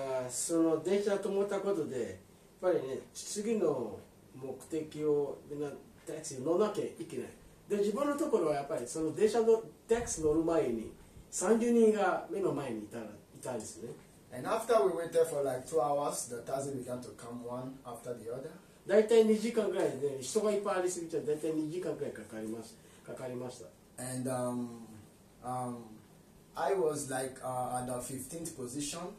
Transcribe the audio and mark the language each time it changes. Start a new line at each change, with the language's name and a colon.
Japanese: その電車止まったことで、やっぱりね、次の目的をみんなタクシー乗らなきゃいけない。で、自分のところはやっぱりその電車のタクシー乗る前に、30人が目の前にいたんですね。
English: And after we waited for like 2 hours, the taxi began to come one after the other.
Japanese: だいたい2時間ぐらいで、人がいっぱいありすぎちゃう、だいたい2時間ぐらいかかりました。
English: And I was like at the 15th position.